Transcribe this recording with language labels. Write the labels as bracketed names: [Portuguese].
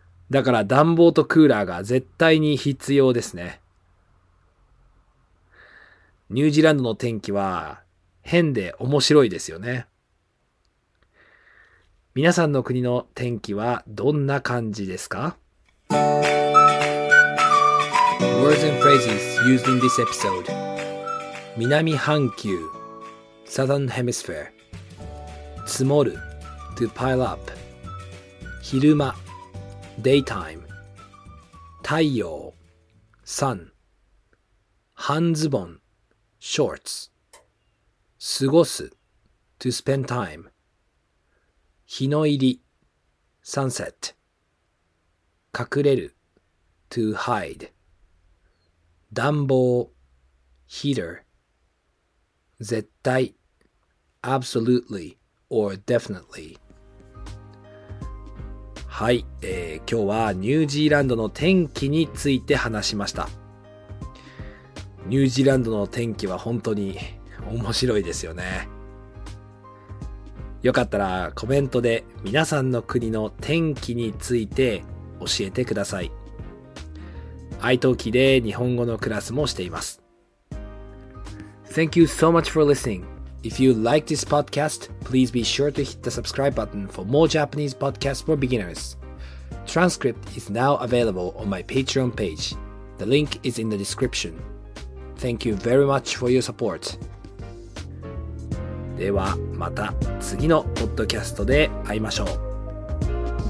[Japanese] だから暖房とクーラーが絶対に必要ですね。ニュージーランドの天気は変で面白いですよね。皆さんの国の天気はどんな感じですか？ [English] Words and phrases used in this episode. 南半球 Southern Hemisphere. 積もる To pile up. 昼間Daytime 太陽 Sun 半ズボン Shorts 過ごす To spend time 日の入り Sunset 隠れる To hide 暖房 Heater 絶対 Absolutely or definitely。 [Japanese] はい、今日はニュージーランドの天気について話しました。ニュージーランドの天気は本当に面白いですよね。よかったらコメントで皆さんの国の天気について教えてください。 iTalkiで日本語のクラスもしています。 [English] Thank you so much for listening. If you like this podcast, please be sure to hit the subscribe button for more Japanese podcasts for beginners. Transcript is now available on my Patreon page. The link is in the description. Thank you very much for your support. [Japanese] ではまた次のポッドキャストで会いましょう。